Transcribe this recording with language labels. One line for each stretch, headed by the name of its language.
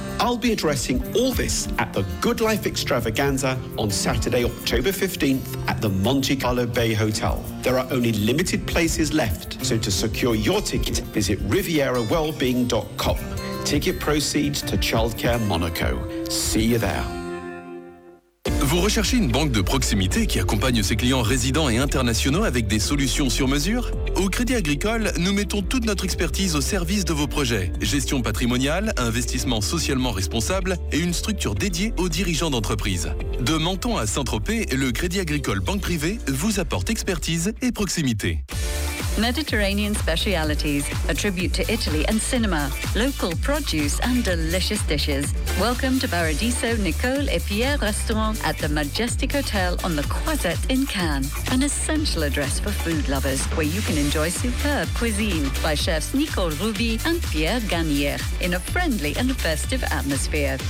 English: I'll be addressing all this at the Good Life Extravaganza on Saturday, October 15th at the Monte Carlo Bay Hotel. There are only limited places left, so to secure your ticket, visit rivierawellbeing.com. Ticket proceeds to Childcare Monaco. See you there.
French: Vous recherchez une banque de proximité qui accompagne ses clients résidents et internationaux avec des solutions sur mesure? Au Crédit Agricole, nous mettons toute notre expertise au service de vos projets. Gestion patrimoniale, investissement socialement responsable et une structure dédiée aux dirigeants d'entreprise. De Menton à Saint-Tropez, le Crédit Agricole Banque Privée vous apporte expertise et proximité.
English: Mediterranean specialities, a tribute to Italy and cinema, local produce and delicious dishes. Welcome to Paradiso Nicole et Pierre Restaurant at the Majestic Hotel on the Croisette in Cannes, an essential address for food lovers where you can enjoy superb cuisine by chefs Nicole Ruby and Pierre Gagnier in a friendly and festive atmosphere.